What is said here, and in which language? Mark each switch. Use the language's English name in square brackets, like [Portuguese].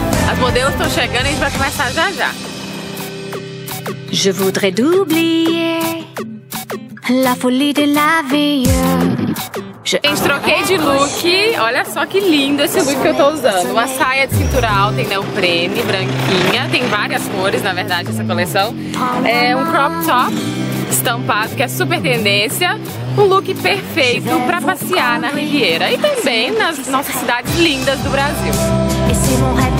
[Portuguese] As modelos estão chegando e a gente vai começar já já. [French] Je voudrais oublier la folie de la vie. [Portuguese] Gente, troquei de look. Olha só que lindo esse look que eu tô usando. Uma saia de cintura alta em neoprene, branquinha. Tem várias cores, na verdade, essa coleção. É um crop top estampado, que é super tendência. Um look perfeito pra passear na Riviera e também nas nossas cidades lindas do Brasil.